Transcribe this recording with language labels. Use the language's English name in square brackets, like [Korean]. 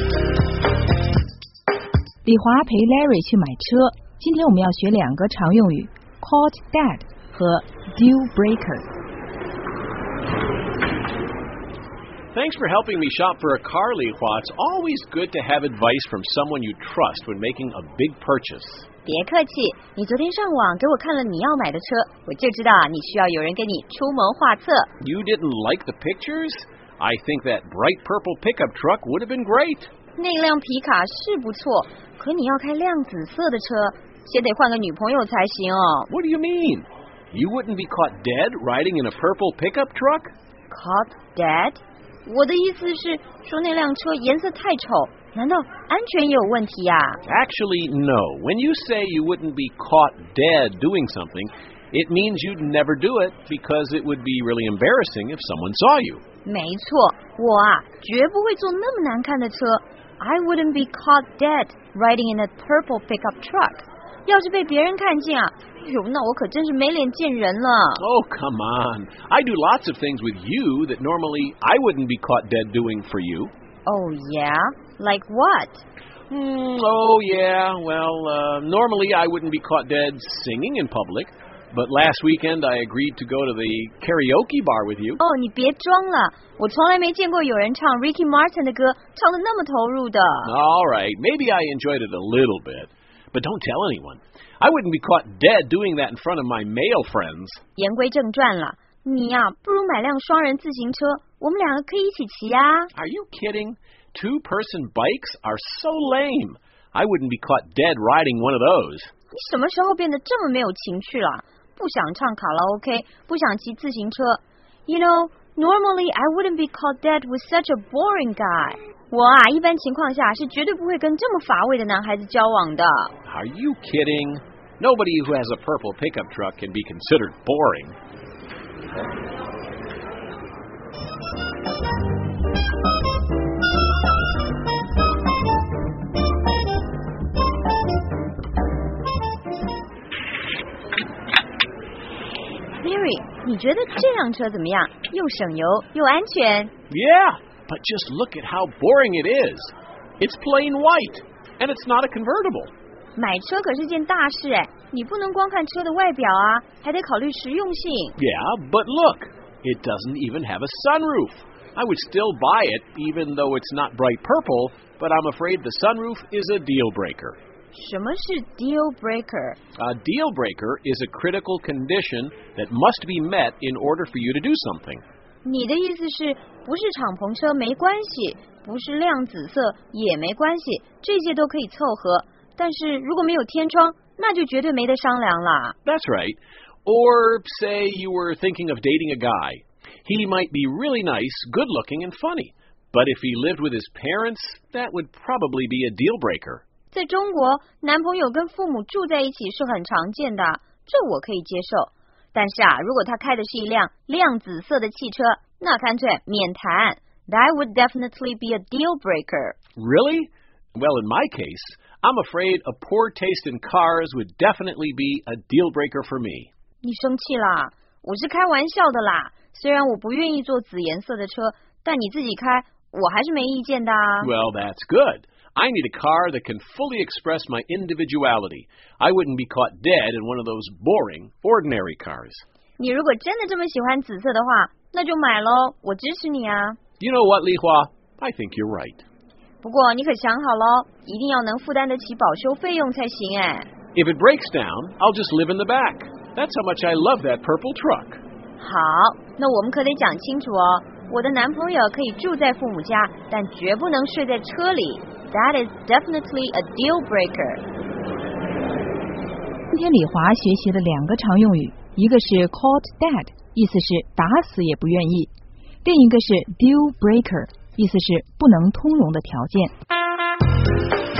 [Chinese] 李华陪 Larry 去买车。今天我们要学两个常用语 ：caught dead 和 deal breaker。 [English] Thanks for helping me shop for a car, Li Hua. It's always good to have advice from someone you trust when making a big purchase. [Chinese] 别客气，你昨天上网给我看了你要买的车，我就知道你需要有人给你出谋划策。 [English] You didn't like the pictures? I think that bright purple pickup truck would have been great. [Chinese] 那辆皮卡是不错，可你要开亮紫色的车，先得换个女朋友才行哦。 [English] What do you mean? You wouldn't be caught dead riding in a purple pickup truck? Caught dead? [Chinese] 我的意思是说那辆车颜色太丑，难道安全有问题啊？ [English] Actually, no. When you say you wouldn't be caught dead doing something, it means you'd never do it because it would be really embarrassing if someone saw you. [Chinese] 没错，我啊，绝不会坐那么难看的车。 [English] I wouldn't be caught dead riding in a purple pickup truck. [Chinese] 要是被别人看见啊，哟，那我可真是没脸见人了。 [English] Oh, come on. I do lots of things with you that normally I wouldn't be caught dead doing for you. Oh, yeah? Like what? Normally I wouldn't be caught dead singing in public. But last weekend I agreed to go to the karaoke bar with you. [Chinese] Oh, 你别装了。我从来没见过有人唱 Ricky Martin 的歌唱得那么投入的。 [English] All right, maybe I enjoyed it a little bit. But don't tell anyone. I wouldn't be caught dead doing that in front of my male friends. [Chinese] 言归正传了，你呀，不如买辆双人自行车，我们两个可以一起骑啊。 [English] Are you kidding? Two-person bikes are so lame. I wouldn't be caught dead riding one of those. [Chinese] 你什么时候变得这么没有情趣了？不想唱卡拉 OK， 不想骑自行车。 [English] You know, normally I wouldn't be caught dead with such a boring guy. [Chinese] 我啊，一般情况下是绝对不会跟这么乏味的男孩子交往的。 [English] Are you kidding? Nobody who has a purple pickup truck can be considered boring. [Chinese] Larry, 你觉得这辆车怎么样？又省油又安全。 Yeah. [English] But just look at how boring it is. It's plain white, and it's not a convertible. [Chinese] 买车可是件大事哎，你不能光看车的外表啊，还得考虑实用性。 [English] Yeah, but look, it doesn't even have a sunroof. I would still buy it, even though it's not bright purple, but I'm afraid the sunroof is a deal breaker. [Chinese] 什么是 deal breaker? [English] A deal breaker is a critical condition that must be met in order for you to do something. [Chinese] 你的意思是不是敞篷车没关系，不是亮紫色也没关系，这些都可以凑合，但是如果没有天窗，那就绝对没得商量了。 [English] That's right. Or say you were thinking of dating a guy. He might be really nice, good looking and funny. But if he lived with his parents, that would probably be a deal breaker. [Chinese] 在中国，男朋友跟父母住在一起是很常见的，这我可以接受。但是啊，如果他开的是一辆亮紫色的汽车，那干脆免谈。 [English] That would definitely be a deal breaker. Really? Well, in my case, I'm afraid a poor taste in cars would definitely be a deal breaker for me. [Chinese] 你生气啦？我是开玩笑的啦。虽然我不愿意坐紫颜色的车，但你自己开，我还是没意见的啊。 [English] Well, that's good. I need a car that can fully express my individuality. I wouldn't be caught dead in one of those boring, ordinary cars. [Chinese] 你如果真的这么喜欢紫色的话，那就买咯，我支持你啊。 [English] You know what, Li Hua? I think you're right. [Chinese] 不过你可想好咯，一定要能负担得起保修费用才行哎。 [English] If it breaks down, I'll just live in the back. That's how much I love that purple truck. [Chinese] 好，那我们可得讲清楚哦。我的男朋友可以住在父母家，但绝不能睡在车里。 [English] That is definitely a deal breaker. [Chinese] 今天李华学习了两个常用语，一个是 caught dead， 意思是打死也不愿意；另一个是 deal breaker， 意思是不能通融的条件。